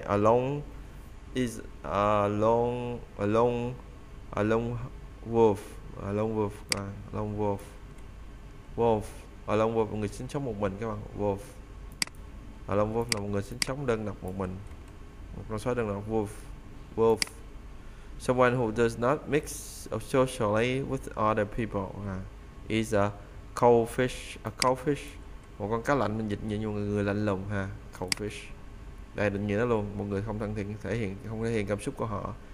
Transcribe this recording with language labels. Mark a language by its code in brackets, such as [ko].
[en] A lone wolf, [vi] một người sinh sống một mình các bạn. [en] Wolf, a lone wolf [vi] là một người sinh sống đơn độc một mình, một con sói đơn độc. [en] Wolf. Someone who does not mix socially with other people is a cold fish. A cold fish, [vi] một con cá lạnh, mình dịch như một người lạnh lùng ha. Cold fish, đây định nghĩa nó luôn, một người không thân thiện, không thể hiện cảm xúc của họ.